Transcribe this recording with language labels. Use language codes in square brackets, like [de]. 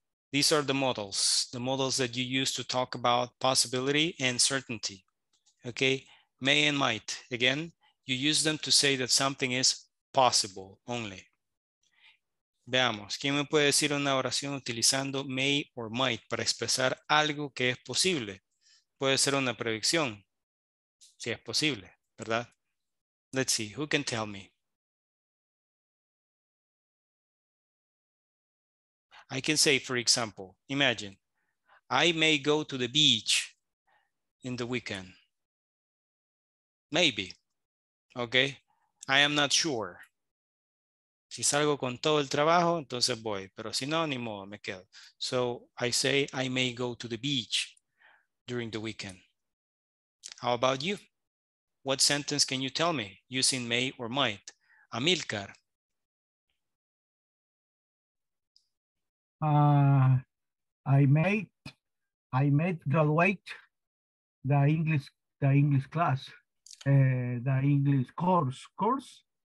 [en] These are the models that you use to talk about possibility and certainty. Okay, may and might. Again, you use them to say that something is possible only. [es] Veamos, ¿quién me puede decir una oración utilizando [en] may or might [es] para expresar algo que es posible? Puede ser una predicción, si es posible, ¿verdad? [en] Let's see, who can tell me? I can say, for example, imagine, I may go to the beach in the weekend. Maybe. Okay. I am not sure. [es] Si salgo con todo el trabajo, entonces voy. Pero si no, ni modo, me quedo. [en] So I say, I may go to the beach during the weekend. How about you? What sentence can you tell me using may or might? Amilcar. I may graduate the English class, the English course.